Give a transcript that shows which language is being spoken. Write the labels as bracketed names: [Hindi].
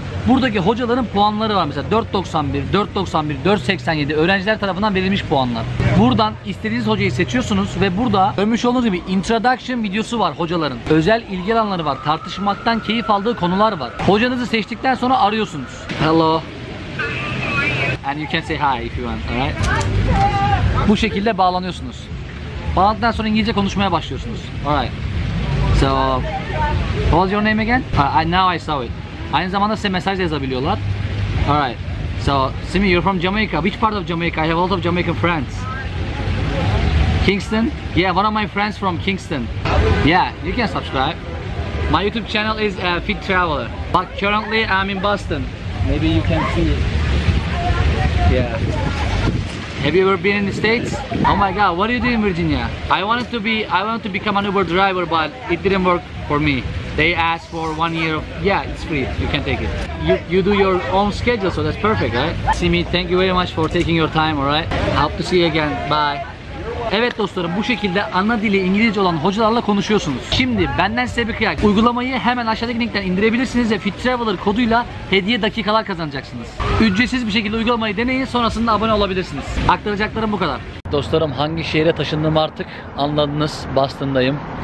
[Turkish] Buradaki hocaların puanları var mesela 4.91, 4.91, 4.87 öğrenciler tarafından verilmiş puanlar. Buradan istediğiniz hocayı seçiyorsunuz ve burada görmüş olduğunuz gibi introduction videosu var hocaların. Özel ilgi alanları var, tartışmaktan keyif aldığı konular var. Hocanızı seçtikten sonra arıyorsunuz. [English] Hello. And you can say hi if you want, alright? [Turkish] Bu şekilde bağlanıyorsunuz. Bağlandıktan sonra İngilizce konuşmaya başlıyorsunuz. [English] Alright. So, what was your name again? Now I saw it. [Turkish] Aynı zamanda size mesaj yazabiliyorlar. [English] Alright. So, Simi, you're from Jamaica. Which part of Jamaica? I have a lot of Jamaican friends. Kingston? Yeah, one of my friends from Kingston. Yeah, you can subscribe. My YouTube channel is Fit Traveler. But currently I'm in Boston. Maybe you can see it. Yeah. Have you ever been in the States? Oh my god, what do you do in Virginia? I wanted to become an Uber driver, but it didn't work for me. They asked for 1 year of, yeah, it's free, you can take it. You do your own schedule, so that's perfect, right? Simi, thank you very much for taking your time, alright? Hope to see you again, bye. [Turkish] Evet dostlarım, bu şekilde ana dili İngilizce olan hocalarla konuşuyorsunuz. Şimdi benden size bir kıyak. Uygulamayı hemen aşağıdaki linkten indirebilirsiniz ve Fit Traveler koduyla hediye dakikalar kazanacaksınız. Ücretsiz bir şekilde uygulamayı deneyin, sonrasında abone olabilirsiniz. Aktaracaklarım bu kadar. Dostlarım, hangi şehre taşındığımı artık anladınız. Boston'dayım.